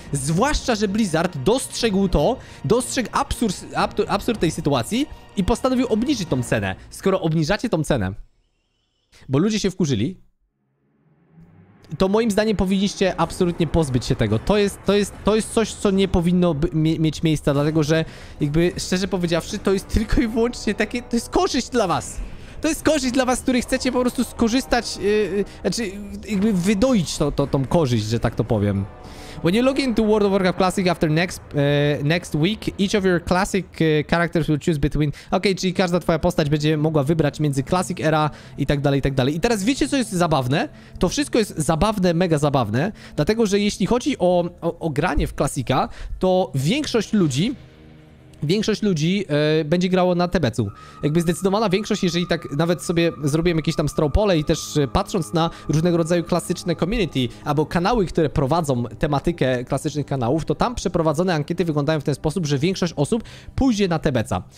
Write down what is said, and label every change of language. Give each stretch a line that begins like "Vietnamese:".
Polish: Zwłaszcza, że Blizzard dostrzegł to, dostrzegł absurd tej sytuacji i postanowił obniżyć tą cenę, skoro obniżacie tą cenę, bo ludzie się wkurzyli, to moim zdaniem powinniście absolutnie pozbyć się tego. To jest coś, co nie powinno mieć miejsca, dlatego że jakby szczerze powiedziawszy, to jest tylko i wyłącznie takie, to jest korzyść dla was. To jest korzyść dla was, który chcecie po prostu skorzystać, znaczy jakby wydoić tą korzyść, że tak to powiem.
English: When you log into World of Warcraft Classic after next week, each of your classic characters will choose between...
Polish: Okej, czyli każda twoja postać będzie mogła wybrać między Classic Era i tak dalej, i tak dalej. I teraz wiecie, co jest zabawne? To wszystko jest zabawne, mega zabawne, dlatego że jeśli chodzi o granie w klasika, to większość ludzi większość ludzi będzie grało na TBC-u. Jakby zdecydowana większość, jeżeli tak nawet sobie zrobiłem jakieś tam straw pole i też patrząc na różnego rodzaju klasyczne community albo kanały, które prowadzą tematykę klasycznych kanałów, to tam przeprowadzone ankiety wyglądają w ten sposób, że większość osób pójdzie na TBC-a.